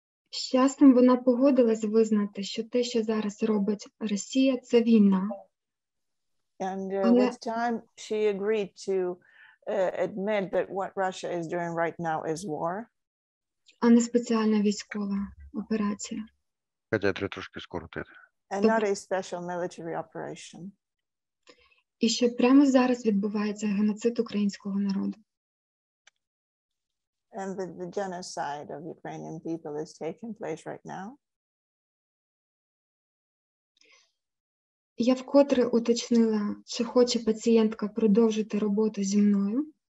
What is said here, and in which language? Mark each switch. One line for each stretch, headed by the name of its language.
Ukrainian: Щасливо вона погодилась визнати, що те, що зараз робить Росія, це війна.
English: And with time, she agreed to admit that what Russia is doing right now is war.
Ukrainian: А не спеціальна військова операція. Педіатри трошки скоротити.
English: And not a special military operation.
Ukrainian: І що прямо зараз відбувається геноцид українського народу.
English: And the genocide of Ukrainian people is taking place right now.
Ukrainian: Я вкотре уточнила, чи хоче пацієнтка продовжити роботу зі мною.